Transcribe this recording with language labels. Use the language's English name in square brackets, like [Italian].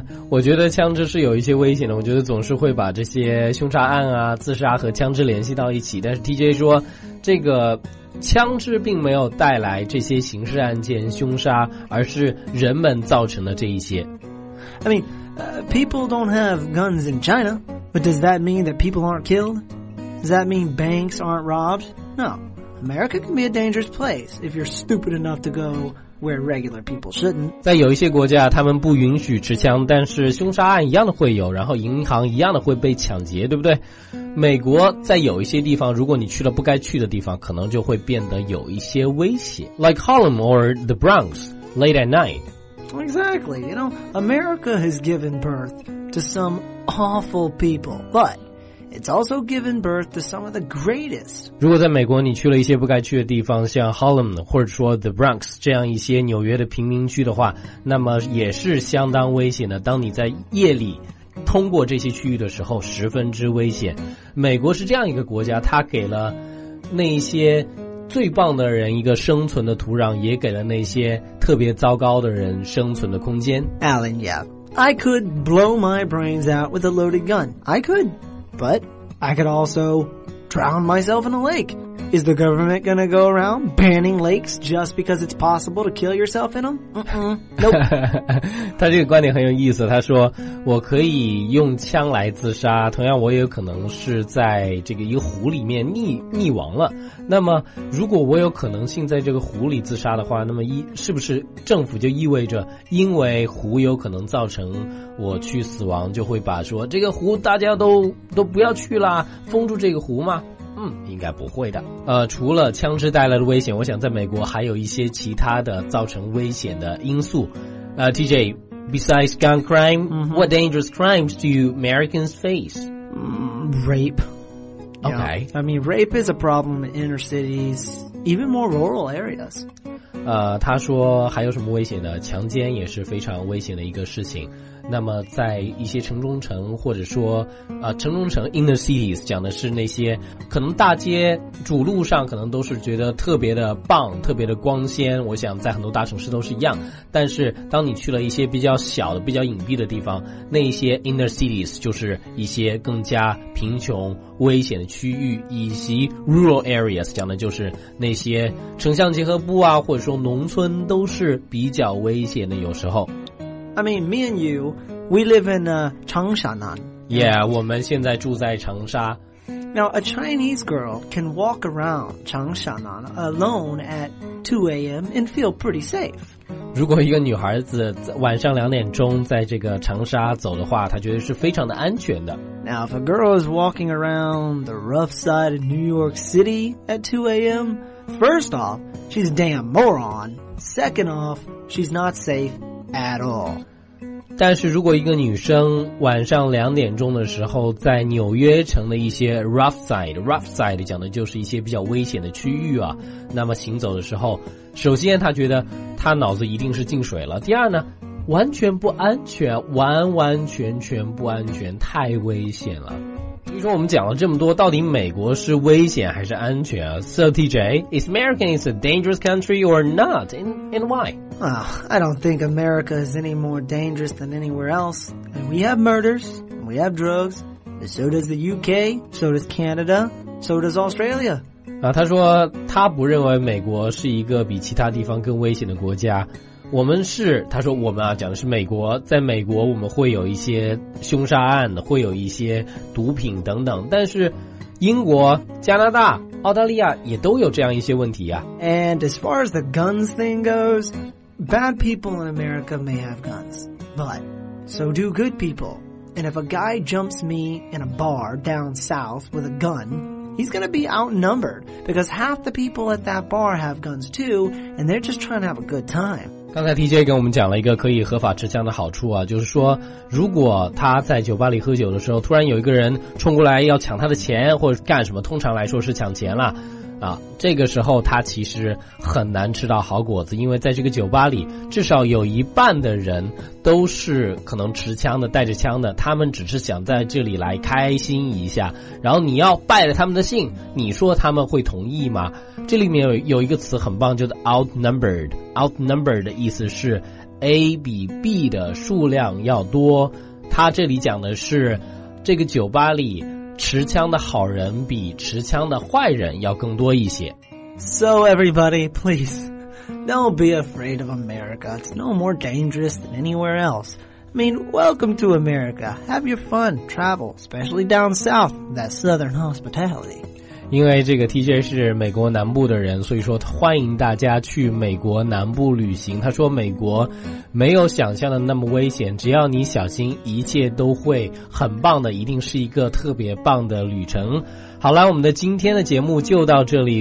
[Chinese] 我觉得枪支是有一些危险的，我觉得总是会把这些凶杀案啊自杀和枪支联系到一起，但是 TJ 说这个枪支并没有带来这些刑事案件凶杀，而是人们造成的这一些。 [English] I mean, people don't have guns in China, but does that mean that people aren't killed? Does that mean banks aren't robbed? No. America can be a dangerous place if you're stupid enough to go where regular people shouldn't. 在有一些国家，他们不允许持枪，但是凶杀案一样的会有，然后银行一样的会被抢劫，对不对？美国在有一些地方，如果你去了不该去的地方，可能就会变得有一些危险。 Like Harlem or the Bronx, late at night. Exactly. You know, America has given birth to some awful people, but... It's also given birth to some of the greatest. [Chinese] 如果在美国你去了一些不该去的地方，像 Harlem 或者说 The Bronx 这样一些纽约的贫民区的话，那么也是相当危险的。当你在夜里通过这些区域的时候，十分之危险。美国是这样一个国家，它给了那些最棒的人一个生存的土壤，也给了那些特别糟糕的人生存的空间。 [English] Alan, yeah, I could blow my brains out with a loaded gun. I could.But I could also drown myself in a lake. Is the government going to go around banning lakes just because it's possible to kill yourself in them? Nope. [Chinese] 他这个观点很有意思，他说我可以用枪来自杀，同样我也有可能是在这个一个湖里面溺亡了。那么如果我有可能性在这个湖里自杀的话，那么是不是政府就意味着因为湖有可能造成我去死亡，就会把说这个湖大家都不要去了，封住这个湖吗？应该不会的。除了枪支带来的危险，我想在美国还有一些其他的造成危险的因素。 [English] TJ, besides gun crime,、mm-hmm. what dangerous crimes do Americans face?、 Rape. Okay.、 Yeah. I mean, rape is a problem in inner cities, even more rural areas. [Chinese] 他说还有什么危险呢？强奸也是非常危险的一个事情。那么在一些城中城，或者说城中城 inner cities 讲的是那些可能大街主路上可能都是觉得特别的棒，特别的光鲜，我想在很多大城市都是一样，但是当你去了一些比较小的比较隐蔽的地方，那一些 inner cities 就是一些更加贫穷危险的区域，以及 rural areas 讲的就是那些城乡结合部啊，或者说农村都是比较危险的。有时候 [English] I mean, me and you, we live in Changshanan. [Chinese] Yeah, 我们现在住在长沙。 [English] Now, a Chinese girl can walk around Changshanan alone at 2 a.m. and feel pretty safe. [Chinese] 如果一个女孩子晚上两点钟在这个长沙走的话，她觉得是非常的安全的。 [English] Now, if a girl is walking around the rough side of New York City at 2 a.m., first off, she's a damn moron. Second off, she's not safe. At all. [Chinese] 但是如果一个女生晚上两点钟的时候在纽约城的一些 rough side 讲的就是一些比较危险的区域啊，那么行走的时候，首先她觉得她脑子一定是进水了，第二呢完全不安全，完完全全不安全，太危险了。比如说我们讲了这么多，到底美国是危险还是安全啊？ [English] So TJ, is America a dangerous country or not? And why? I don't think America is any more dangerous than anywhere else. And we have murders, and we have drugs, and so does the UK, so does Canada, so does Australia. [Chinese] 他说他不认为美国是一个比其他地方更危险的国家。我们是，他说我们啊，讲的是美国，在美国我们会有一些凶杀案，会有一些毒品等等，但是英国、加拿大、澳大利亚也都有这样一些问题啊。 [English] And as far as the guns thing goes, bad people in America may have guns, but so do good people. And if a guy jumps me in a bar down south with a gun, he's going to be outnumbered because half the people at that bar have guns too, and they're just trying to have a good time. [Chinese] 刚才 TJ 跟我们讲了一个可以合法持枪的好处啊，就是说如果他在酒吧里喝酒的时候突然有一个人冲过来要抢他的钱或者干什么，通常来说是抢钱了啊，这个时候他其实很难吃到好果子，因为在这个酒吧里至少有一半的人都是可能持枪的，带着枪的，他们只是想在这里来开心一下，然后你要败了他们的兴，你说他们会同意吗？这里面有一个词很棒，就是 outnumbered 的意思是 A 比 B 的数量要多，他这里讲的是这个酒吧里持枪的好人比持枪的坏人要更多一些。 [English] So everybody, please don't be afraid of America. It's no more dangerous than anywhere else. I mean, welcome to America. Have your fun, travel, especially down south, that southern hospitality. [Chinese] 因为这个 TJ 是美国南部的人，所以说欢迎大家去美国南部旅行。他说美国没有想象的那么危险，只要你小心，一切都会很棒的，一定是一个特别棒的旅程。好了，我们的今天的节目就到这里。